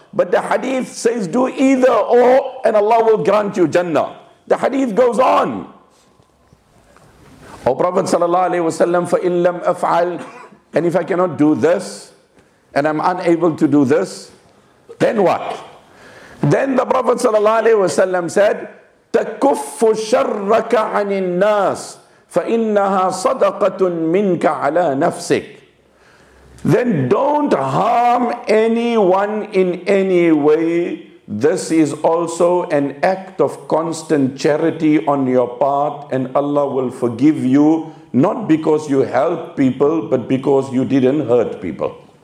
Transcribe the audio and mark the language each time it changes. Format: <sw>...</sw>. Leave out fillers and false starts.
<en>But the hadith says, do either or, and Allah will grant you Jannah. The hadith goes on. O Prophet sallallahu alayhi wa sallam,</en> <ar>فَإِن لَمْ أَفْعَلْ.</ar> <en>And if I cannot do this, and I'm unable to do this, then what? Then the Prophet sallallahu alayhi wa sallam said,</en> <ar>تَكُفُّ شَرَّكَ عَنِ النَّاسِ فَإِنَّهَا صَدَقَةٌ مِنْكَ عَلَى نَفْسِكَ.</ar> <en>Then don't harm anyone in any way. This is also an act of constant charity on your part, and Allah will forgive you, not because you helped people, but because you didn't hurt people.</en>